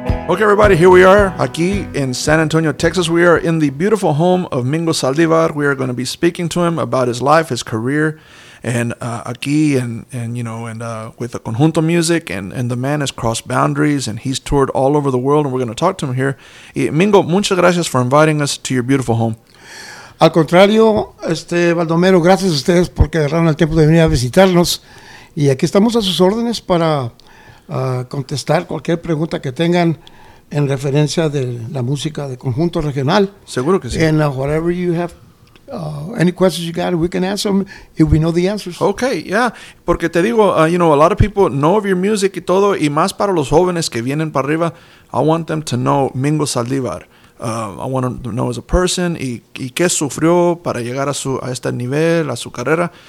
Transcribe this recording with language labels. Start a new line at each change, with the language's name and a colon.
English: Okay, everybody, here we are, aquí in San Antonio, Texas. We are in the beautiful home of Mingo Saldívar. We are going to be speaking to him about his life, his career, and aquí, and you know, and with the Conjunto Music, and the man has crossed boundaries, and he's toured all over the world, and we're going to talk to him here. Mingo,
Spanish: muchas gracias
English: for inviting us to your beautiful home.
Spanish: Al contrario, Baldomero, gracias a ustedes porque agarraron el tiempo de venir a visitarnos, y aquí estamos a sus órdenes para contestar cualquier pregunta que tengan en referencia de la música de Conjunto Regional. Seguro que sí.
English: And whatever you have, any questions you got, we can answer them if we know the answers. Okay, yeah.
Spanish: Porque te digo,
English: you know, a lot of people know of your music
Spanish: y todo, y más para los jóvenes que vienen para arriba,
English: I want them to know Mingo Saldívar. I want them to know as a person
Spanish: y qué sufrió para llegar a este nivel, a su carrera.